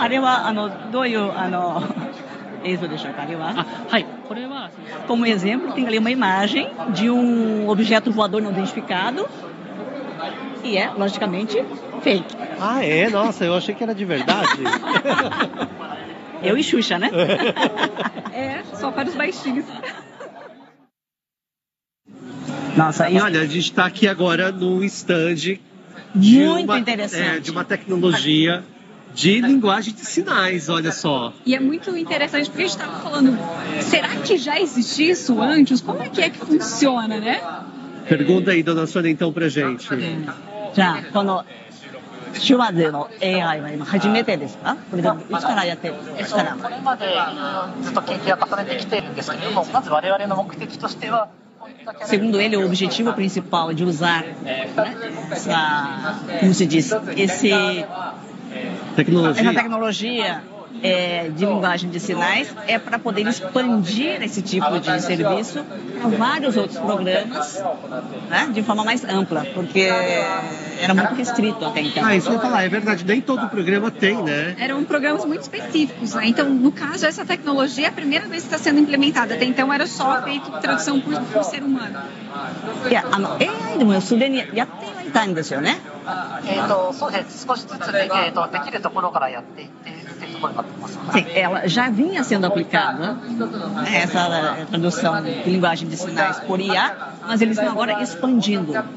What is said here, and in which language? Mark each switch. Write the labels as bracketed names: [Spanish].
[Japanese] あれは、どういう、映像でしょうか、あれは。あ、はい、これは、 [Portuguese] como exemplo, tem ali uma imagem de objeto voador não identificado, e é, logicamente, fake. Ah, é? Nossa, eu achei que era de verdade. Eu e Xuxa, né? É, só para os baixinhos. Nossa, e olha, a gente está aqui agora no stand de uma tecnologia de linguagem de sinais, olha só. E é muito interessante, porque a gente estava falando, será que já existe isso antes? Como é que funciona, né? Pergunta aí, dona Sônia, então, para a gente. Já, quando... [Japanese] 手話での AI は今初めてですか？これでもいつからやってるんですか？これまでずっと研究を重ねてきているんですけれども、まず我々の目的としては、 [Portuguese] Segundo ele, o objetivo principal de usar, né, essa, como se diz, essa tecnologia é, de linguagem de sinais é para poder expandir esse tipo de serviço para vários outros programas, né, de forma mais ampla, porque era muito restrito até então. Ah, isso eu ia falar, é verdade, nem todo programa tem, né? Eram programas muito específicos, né? Então, no caso, essa tecnologia é a primeira vez que está sendo implementada, até então era só feito tradução por ser humano. [Japanese] いや、AI でもすでにやっていたんですよね。そうです。少しずつで、できるところからやっていって、 [Portuguese] Sim, ela já vinha sendo aplicada, essa tradução de linguagem de sinais por IA, mas eles estão agora expandindo.